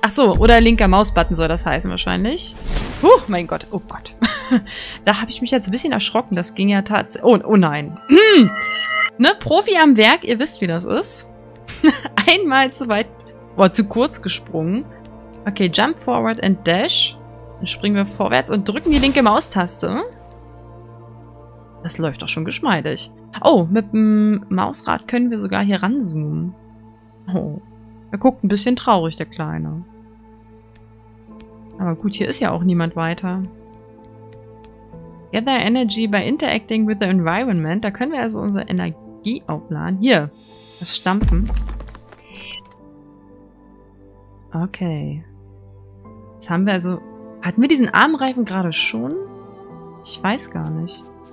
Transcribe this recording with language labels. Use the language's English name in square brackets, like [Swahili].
[German] Ach so, oder linker Mausbutton soll das heißen wahrscheinlich. Huch, mein Gott, oh Gott. Da habe ich mich jetzt ein bisschen erschrocken. Das ging ja tatsächlich... Oh nein. Ne, Profi am Werk, ihr wisst, wie das ist. Einmal zu weit... Boah, zu kurz gesprungen. [English] Okay, jump forward and dash. [German] Dann springen wir vorwärts und drücken die linke Maustaste. Das läuft doch schon geschmeidig. Oh, mit dem Mausrad können wir sogar hier ranzoomen. Oh, er guckt ein bisschen traurig, der Kleine. Aber gut, hier ist ja auch niemand weiter. [English] Gather energy by interacting with the environment. [German] Da können wir also unsere Energie aufladen. Hier, das Stampfen. Okay. Jetzt haben wir also... Hatten wir diesen Armreifen gerade schon? Ich weiß gar nicht.